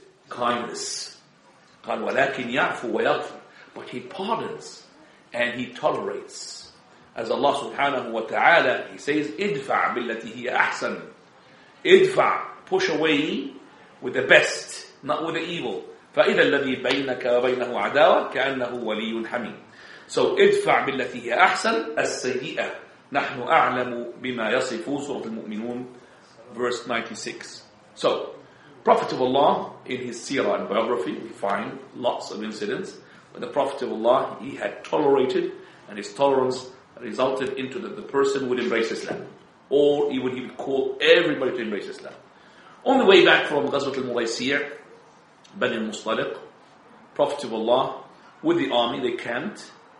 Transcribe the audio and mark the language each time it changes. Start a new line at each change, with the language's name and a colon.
English: kindness.
Arabic: قال ولكن يعفو ويغفر.
English: But he pardons and he tolerates. As Allah subhanahu wa ta'ala, he says,
Arabic: ادفع بالتي هي أحسن.
English: ادفع, push away with the best, not with the evil.
Arabic: فإذا الذي بينك وبينه عداوة كأنه ولي حميم.
English: So
Arabic: ادفع بالتي هي أحسن السيئة نحن أعلم بما يصف سورة المؤمنون
English: verse 96. So, Prophet of Allah, in his seerah and biography, we find lots of incidents where the Prophet of Allah, he had tolerated, and his tolerance resulted into that the person would embrace Islam. Or he would call everybody to embrace Islam. On the way back from Ghazwat al-Mughaysir, Bani al-Mustaliq, Prophet of Allah, with the army, they camped.